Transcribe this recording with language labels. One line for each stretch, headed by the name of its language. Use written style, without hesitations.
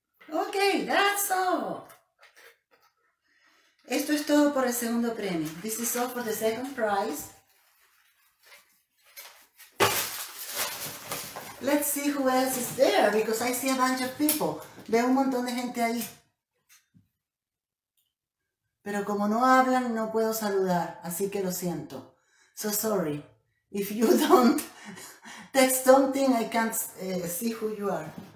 English: Okay, that's all.
Spanish: Esto es todo por el segundo premio.
English: This is all for the second prize. Let's see who else is there, because I see a bunch of people.
Spanish: Veo un montón de gente ahí. Pero como no hablan, no puedo saludar, así que lo siento.
English: So sorry. If you don't text something, I can't see who you are.